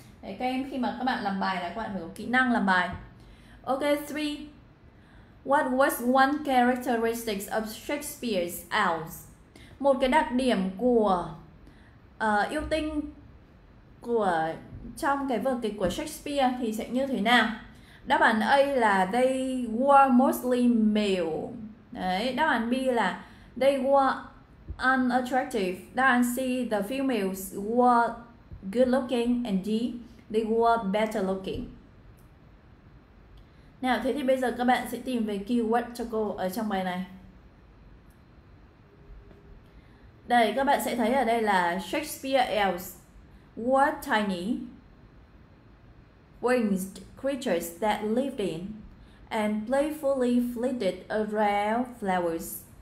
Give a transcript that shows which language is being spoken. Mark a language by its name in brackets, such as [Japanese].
[Vietnamese] Đấy, các em khi mà các bạn làm bài là các bạn phải có kỹ năng làm bài. Ok, 3. [English] What was one characteristics of Shakespeare's elves? [Vietnamese] Một cái đặc điểm của yêu tinh của trong cái vở kịch của Shakespeare thì sẽ như thế nào? Đáp án A là [English] they were mostly male. [Vietnamese] Đấy, đáp án B là [English] they were unattractive. [Vietnamese] Đáp án C, [English] the females were good looking and D, they were better looking. [Vietnamese] Nào, thế thì bây giờ các bạn sẽ tìm về keyword cho cô ở trong bài này. Đây, các bạn sẽ thấy ở đây là [English] Shakespeare elves were tiny winged creatures that lived in and playfully flitted around flowers.